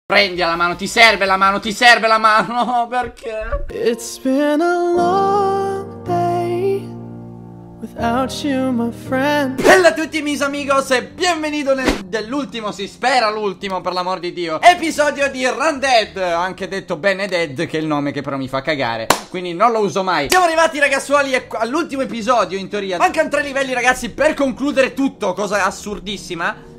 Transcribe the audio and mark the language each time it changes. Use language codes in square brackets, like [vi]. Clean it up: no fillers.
[it] Prendi la mano, ti serve la mano, ti serve la mano, perché? [en] It's been a long day without you, my friend. [it] Bella a tutti, [es] mis amigos, [it] e benvenuto nell'ultimo, si spera l'ultimo, per l'amor di Dio, episodio di Run Dead, anche detto Benedead, che è il nome che però mi fa cagare, quindi non lo uso mai. Siamo arrivati, ragazzuoli, all'ultimo episodio, in teoria. Mancano 3 livelli, ragazzi, per concludere tutto, cosa assurdissima.